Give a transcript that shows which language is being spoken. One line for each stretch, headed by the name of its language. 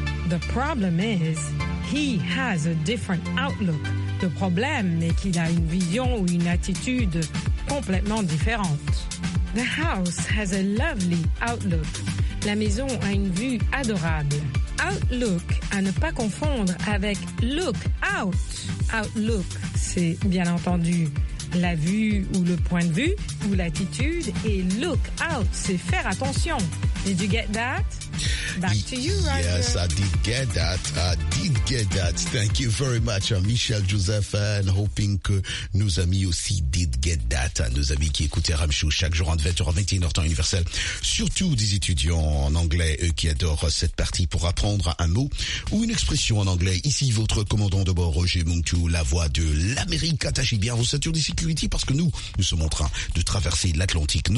English: The problem is, he has a different outlook.
French: Le problème est qu'il a une vision ou une attitude complètement différente.
English: The house has a lovely outlook.
French: La maison a une vue adorable. Outlook, à ne pas confondre avec look out. Outlook, c'est bien entendu la vue ou le point de vue ou l'attitude. Et look out, c'est faire attention.
English: Did you get that? Back to you, Roger. Yes, I did get that. Thank you very much, Michel Joseph, and hoping
French: que nos amis aussi
English: did get that.
French: Nos amis qui écoutent Aram Chou chaque jour en 20h, 21h, temps universel. Surtout des étudiants en anglais qui adorent cette partie pour apprendre un mot ou une expression en anglais. Ici, votre commandant de bord, Roger Mungtu, la voix de l'Amérique. Attachez bien vos ceintures de sécurité parce que nous sommes en train de traverser l'Atlantique.